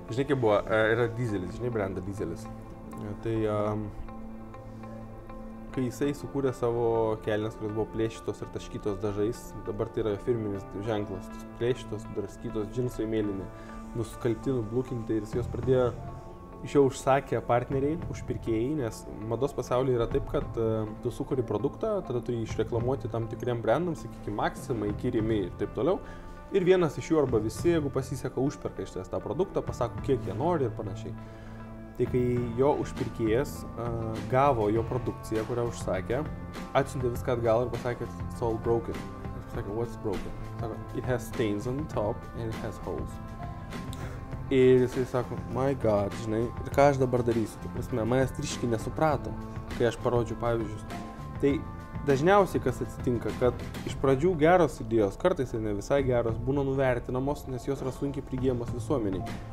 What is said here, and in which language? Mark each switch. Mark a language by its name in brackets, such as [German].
[Lithuanian] Žinai, kaip buvo, yra dizelis, žinai, brenda dizelis. Tai, kai jisai sukūrė savo kelnes, kurios buvo plėšytos ir taškytos dažais, dabar tai yra jo firminis ženklas, plėšytos, draskytos, džinsai mėlyni, nuskalti, nublukinti, ir jis jos pradėjo, iš jau užsakė partneriai, užpirkėjai, nes mados pasaulyje yra taip, kad tu sukuri produktą, tada turi išreklamuoti tam tikriem brandams, sakykime, Maxima, iki Rimi ir taip toliau. Ir vienas iš jų arba visi, jeigu pasiseka, užperka iš tą produktą, pasako, kiek jie nori ir panašiai. Tai kai jo užpirkėjas gavo jo produkciją, kurią užsakė, atsiuntė viską atgal ir pasakė, [English] it's all broken. [Lithuanian] Jis pasakė, [English] what's broken? Sako, it has stains on the top and it has holes. [Lithuanian] Ir jisai sako, [English] my god, [Lithuanian] žinai, ir ką aš dabar darysiu, tai prasme, manęs triškiai nesuprato, kai aš parodžiu pavyzdžius. Tai dažniausiai kas atsitinka, kad iš pradžių geros idėjos, kartais ir ne visai geros, būna nuvertinamos, nes jos yra sunkiai prigėjamos visuomeniai.